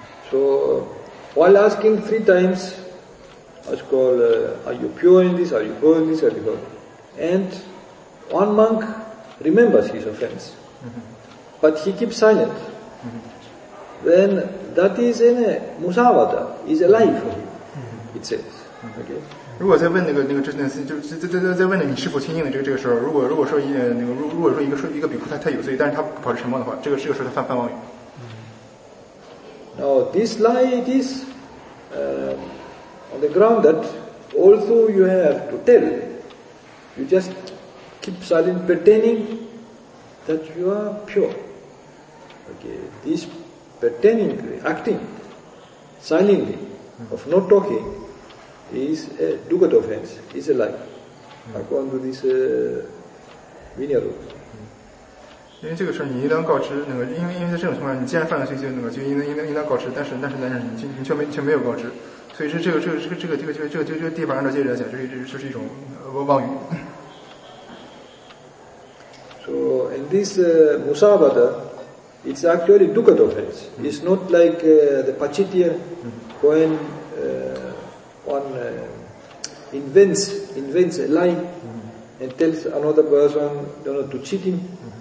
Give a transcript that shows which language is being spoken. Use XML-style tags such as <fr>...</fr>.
<en>So while asking three times, as called, are you pure in this? Are you good in this? Are you good? And one monk remembers his offense, but he keeps silent. Then that is in a musavata, is a lie for him. It says, okay.</en> <zh>如果在问那个这件事，就在问你是否听命的这个时候，如果说一个比丘他有罪，但是他保持沉默的话，这个时候他犯妄语。</zh> <en>Now this lie is on the ground that although you have to tell, you just keep silent, pretending that you are pure. Okay, this pretending, acting silently, of not talking, is a dukkha offense, is a lie. According to this Vinaya rule.</en> <zh>因为这个事儿，你应当告知那个，因为在这种情况下，你既然犯了罪行，那个就应当告知，但是你却没有告知，所以这个地方按照戒律来讲，就是一种妄语。</zh> <en>So in this musavada, it's actually dukkha offense. It's not like the pachitya when one invents a lie and tells another person, you know, to cheat him.</en>